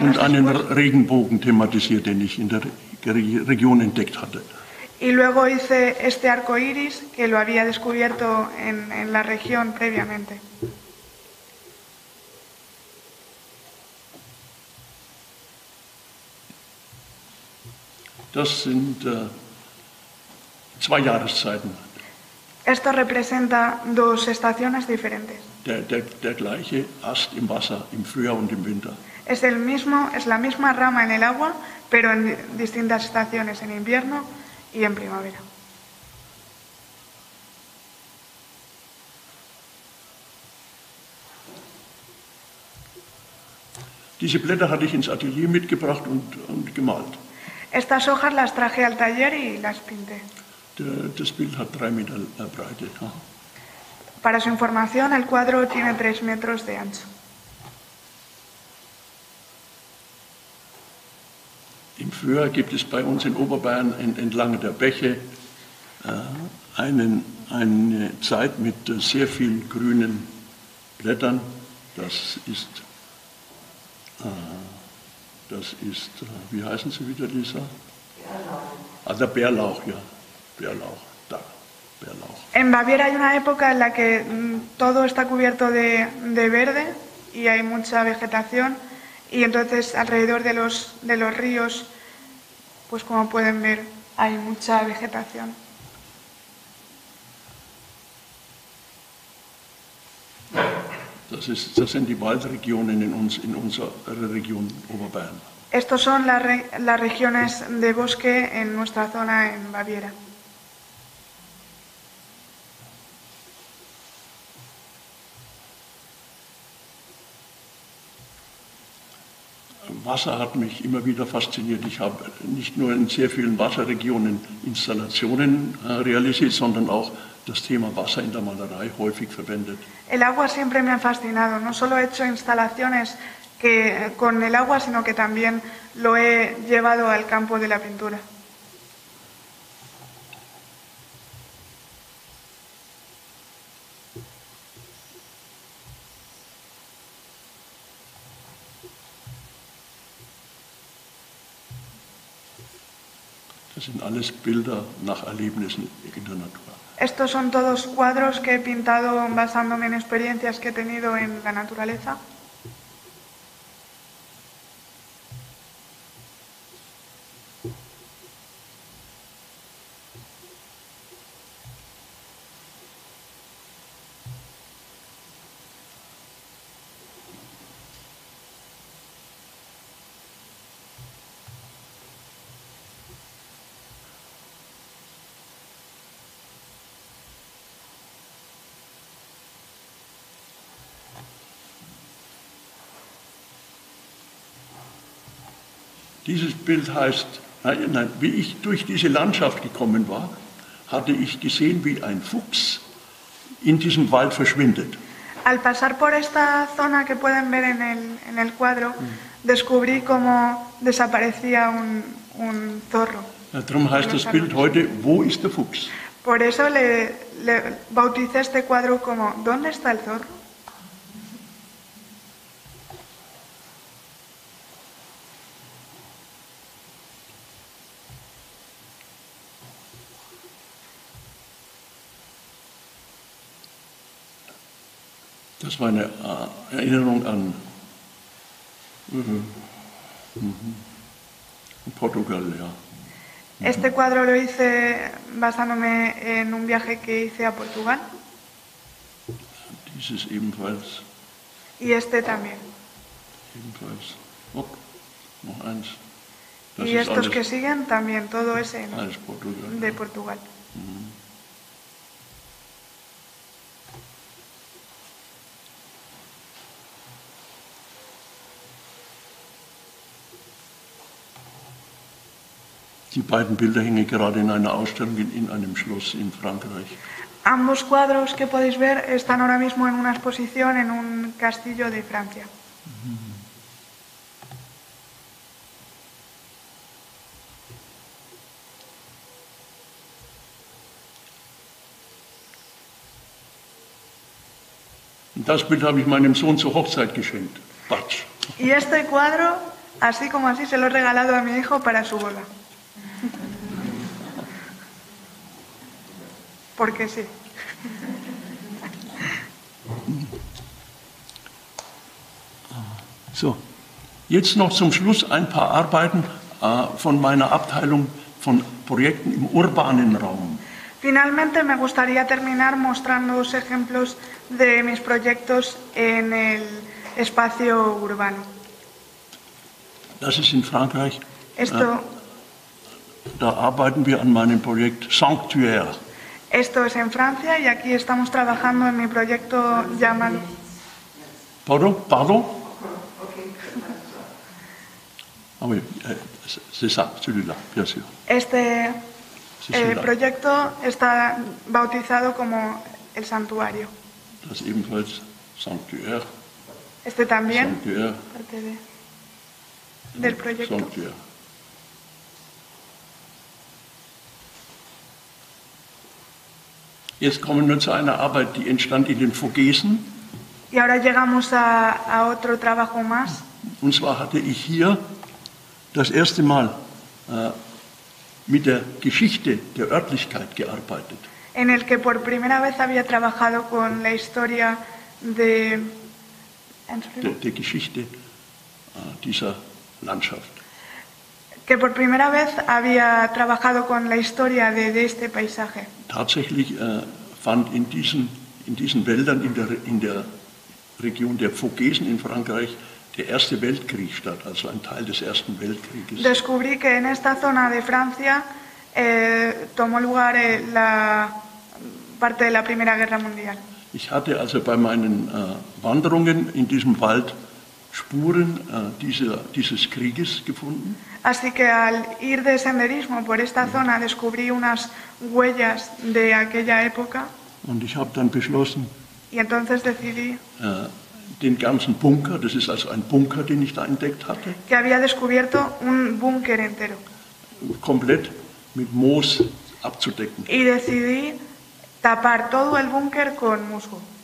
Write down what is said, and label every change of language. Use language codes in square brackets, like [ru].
[de] Und einen Regenbogen thematisiert, den ich in der Region entdeckt hatte. [es] Y luego hice este arco iris que lo había descubierto en la región previamente. [de] Das sind zwei Jahreszeiten. [es] Esto representa dos estaciones diferentes. [de] Der gleiche Ast im Wasser im Frühjahr und im Winter. [es] Es la misma rama en el agua, pero en distintas estaciones en invierno. Y en primavera. [de] Diese Blätter hatte ich ins Atelier mitgebracht und gemalt. [es] Estas hojas las traje al taller y las pinté. [de] Das Bild hat 3 Meter Breite. Ja. [es] Para su información, el cuadro tiene 3 metros de ancho. [de] Im Frühjahr gibt es bei uns in Oberbayern entlang der Bäche eine Zeit mit sehr vielen grünen Blättern. Wie heißen sie wieder, Lisa? Bärlauch. Ah, der Bärlauch, ja. Bärlauch, da, Bärlauch. [es] En Baviera hay una época en la que todo está cubierto de verde y hay mucha vegetación y entonces alrededor de los ríos pues como pueden ver, hay mucha vegetación. [de] Das sind die Waldregionen in unserer Region Oberbayern. [es] Estos son las regiones de bosque en nuestra zona en Baviera. [de] Wasser hat mich immer wieder fasziniert. Ich habe nicht nur in sehr vielen Wasserregionen Installationen realisiert, sondern auch das Thema Wasser in der Malerei häufig verwendet. [es] El agua siempre me ha fascinado. No solo he hecho instalaciones con el agua, sino que también lo he llevado al campo de la pintura. [de] Das sind alles Bilder nach Erlebnissen in der Natur. [es] Estos son todos cuadros que he pintado basándome en experiencias que he tenido en la naturaleza. [de] Dieses Bild heißt, nein, wie ich durch diese Landschaft gekommen war, hatte ich gesehen, wie ein Fuchs in diesem Wald verschwindet. [es] Al pasar por esta zona que pueden ver en el cuadro, descubrí cómo desaparecía un zorro. [de] Darum heißt das Bild heute, wo ist der Fuchs? [es] Por eso le bauticé este cuadro como, ¿dónde está el zorro? [de] Das war eine Erinnerung an Portugal, ja. [es] Este cuadro lo hice basándome en un viaje que hice a Portugal. [de] Dieses ebenfalls. [es] Y este también. [de] Ebenfalls. Oh, noch eins. Das [es] y estos que siguen también, todo ese Portugal, de [de] ja. Portugal. Mm-hmm. Die beiden Bilder hängen gerade in einer Ausstellung in einem Schloss in Frankreich. [es] Ambos cuadros que podéis ver están ahora mismo en una exposición en un castillo de Francia. [de] Das Bild habe ich meinem Sohn zur Hochzeit geschenkt. Batsch. [es] Y este cuadro, así como así, se lo he regalado a mi hijo para su boda. Porque sí. [de] So, jetzt noch zum Schluss ein paar Arbeiten von meiner Abteilung von Projekten im urbanen Raum. [es] Finalmente me gustaría terminar mostrándoos ejemplos de mis proyectos en el espacio urbano. [de] Das ist in Frankreich. [es] Esto [de] da arbeiten wir an meinem Projekt Sanctuaire. [es] Esto es en Francia y aquí estamos trabajando en mi proyecto llamado. [fr] Pardon, pardon. Ah, oui, c'est ça, celui-là, bien sûr. [es] Este proyecto está bautizado como el santuario. [de] Das ebenfalls Sanctuaire. [es] Este también. [fr] Sanctuaire. [es] Parte de, del proyecto. [fr] Sanctuaire. [de] Jetzt kommen wir zu einer Arbeit, die entstand in den Vogesen. [es] Y ahora llegamos a otro trabajo más. [de] Und zwar hatte ich hier das erste Mal mit der Geschichte der Örtlichkeit gearbeitet. [es] En el que por primera vez había trabajado con la historia de [de] der Geschichte dieser Landschaft. [es] Que por primera vez había trabajado con la historia de este paisaje. [de] Tatsächlich fand in diesen Wäldern in der Region der Vogesen in Frankreich der Erste Weltkrieg statt, also ein Teil des Ersten Weltkrieges. [es] Descubrí que en esta zona de Francia tomó lugar la parte de la Primera Guerra Mundial. [de] Ich hatte also bei meinen Wanderungen in diesem Wald Spuren dieses Krieges gefunden. [es] Así que al ir de senderismo por esta zona descubrí unas huellas de aquella época. [de] Und ich habe dann beschlossen, [es] y entonces decidí, [de] den ganzen Bunker, das ist also ein Bunker, den ich da entdeckt hatte. [es] Que había descubierto un búnker entero. [de] Komplett mit Moos abzudecken. [es] Y decidí tapar todo el búnker con musgo.